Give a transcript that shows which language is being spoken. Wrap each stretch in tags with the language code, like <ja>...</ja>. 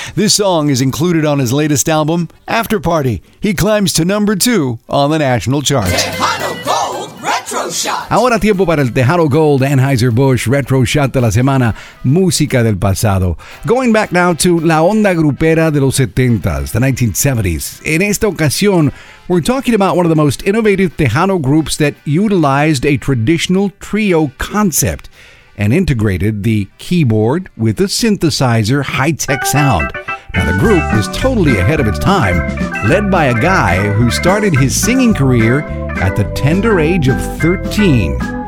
<en>This song is included on his latest album, After Party. He climbs to number 2 on the national charts. Tejano Gold Retro Shot.</en> <es>Ahora tiempo para el Tejano Gold Anheuser-Busch Retro Shot de la semana, música del pasado.</es> <en>Going back now to</en> <es>la onda grupera de los 70s,</es> <en>the 1970s.</en> <es>En esta ocasión,</es> <en>we're talking about one of the most innovative Tejano groups that utilized a traditional trio concept and integrated the keyboard with a synthesizer high-tech sound. Now, the group was totally ahead of its time, led by a guy who started his singing career at the tender age of 13.</en>